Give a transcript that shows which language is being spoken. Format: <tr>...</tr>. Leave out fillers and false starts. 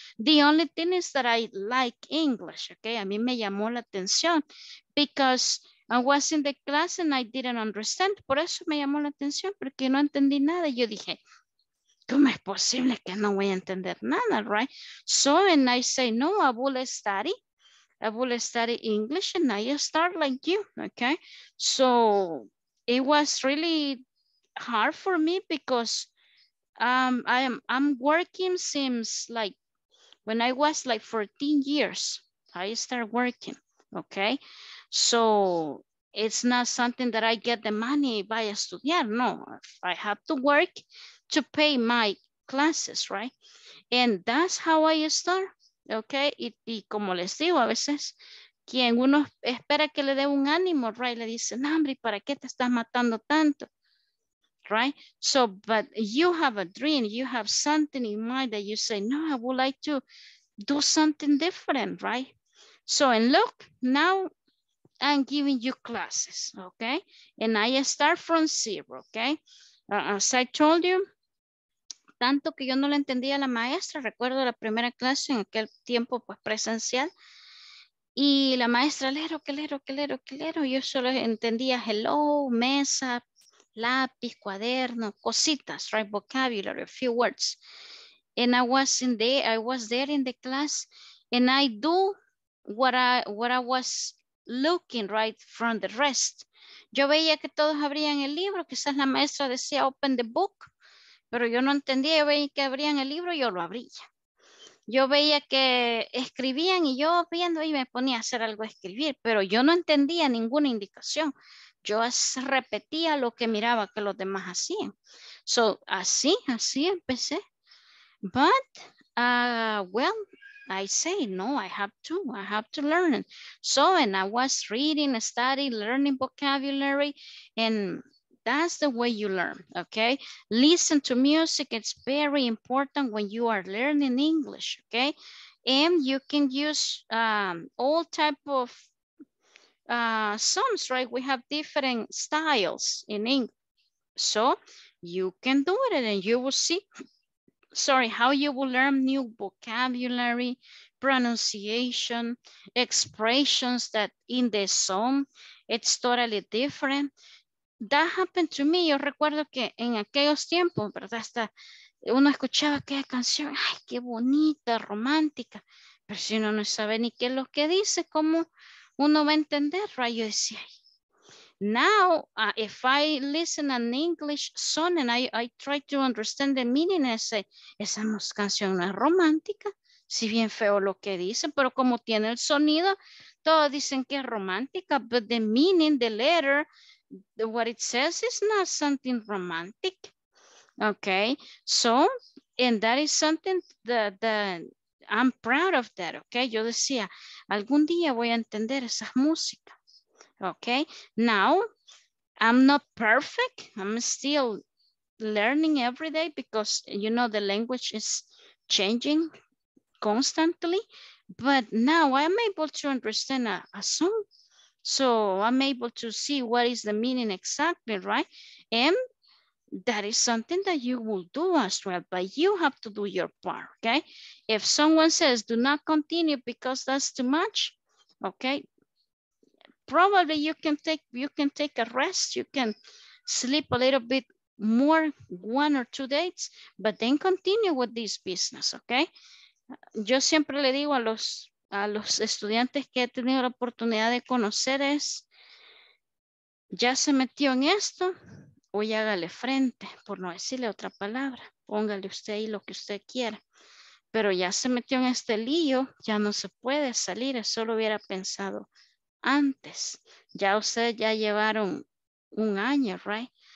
<en>The only thing is that I like English, okay?</en> <es>A mí me llamó la atención</es> <en>because I was in the class and I didn't understand.</en> <es>Por eso me llamó la atención, porque no entendí nada. Yo dije, ¿cómo es posible que no voy a entender nada, right?</es> <en>So, and I say, no, I will study English and I start like you, okay? So, it was really hard for me because I'm working since like when I was like 14 years, I started working, okay? So it's not something that I get the money by</en> <es>a estudiar,</es> <en>no. I have to work to pay my classes, right? And that's how I start, okay?</en> <es>Y como les digo, a veces, quien uno espera que le dé un ánimo, right? Le dice, no, hombre, ¿para qué te estás matando tanto?</es> <en>Right? So, but you have a dream, you have something in mind that you say, no, I would like to do something different, right? So, and look, now I'm giving you classes, okay? And I start from zero, okay? As I told you,</en> <es>tanto que yo no le entendía a la maestra, recuerdo la primera clase en aquel tiempo, pues presencial, y la maestra, lero, que lero, que lero, que lero, yo solo entendía hello, mesa, lápiz, cuaderno, cositas, right?</es> <en>Vocabulary, a few words. And I was there in the class, and I do what I was looking right from the rest.</en> <es>Yo veía que todos abrían el libro, quizás la maestra decía</es> <en>open the book,</en> <es>pero yo no entendía. Yo veía que abrían el libro, yo lo abría. Yo veía que escribían y yo viendo y me ponía a hacer algo a escribir, pero yo no entendía ninguna indicación. Yo repetía lo que miraba que los demás hacían. So, así empecé.</es> <en>But, well, I say, no, I have to learn it. So, and I was reading, studying, learning vocabulary, and that's the way you learn, okay? Listen to music, it's very important when you are learning English, okay? And you can use all type of songs, right? We have different styles in English, so you can do it and you will see, sorry, how you will learn new vocabulary, pronunciation, expressions that in the song, it's totally different. That happened to me.</en> <es>Yo recuerdo que en aquellos tiempos, ¿verdad? Hasta uno escuchaba aquella canción, ay, qué bonita, romántica, pero si uno no sabe ni qué es lo que dice, cómo uno va a entender, right? Yo decía,</es> <en>now, if I listen an English song and I try to understand the meaning, I say,</en> <es>esa canción no es romántica,</es> <en>si bien feo lo que dice, pero como tiene el sonido, todos dicen que es romántica, but the meaning, the letter, what it says is not something romantic, okay? So, and that is something that I'm proud of that, okay?</en> <es>Yo decía, algún día voy a entender esa música, okay?</es> <en>Now, I'm not perfect. I'm still learning every day because, you know, the language is changing constantly. But now I'm able to understand a song So I'm able to see what is the meaning exactly, right? And that is something that you will do as well, but you have to do your part, okay? If someone says, do not continue because that's too much, okay? Probably you can take a rest, you can sleep a little bit more, one or two days, but then continue with this business, okay?</en> <es>Yo siempre le digo a los estudiantes que he tenido la oportunidad de conocer es, ya se metió en esto, hoy hágale frente, por no decirle otra palabra, póngale usted ahí lo que usted quiera, pero ya se metió en este lío, ya no se puede salir, eso lo hubiera pensado antes, ya ustedes ya llevaron un año, right?</es>